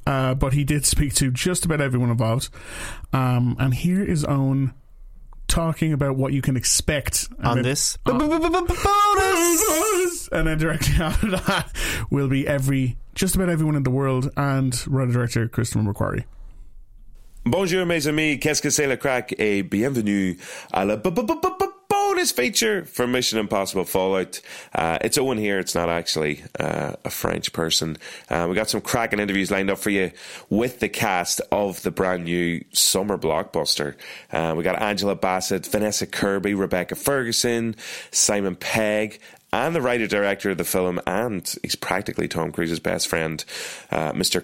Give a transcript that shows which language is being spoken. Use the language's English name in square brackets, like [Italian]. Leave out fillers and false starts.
[English] But he did speak to just about everyone involved. And here is Owen talking about what you can expect on this bonus. And then directly after that will be just about everyone in the world and writer director Christopher McQuarrie. [French] Bonjour mes amis, qu'est-ce que c'est le crack et bienvenue à la [English] bonus feature for Mission Impossible Fallout. It's Owen here, it's not actually a French person. We got some cracking interviews lined up for you with the cast of the brand new summer blockbuster. We got Angela Bassett, Vanessa Kirby, Rebecca Ferguson, Simon Pegg, and the writer-director of the film, and he's practically Tom Cruise's best friend, Mr.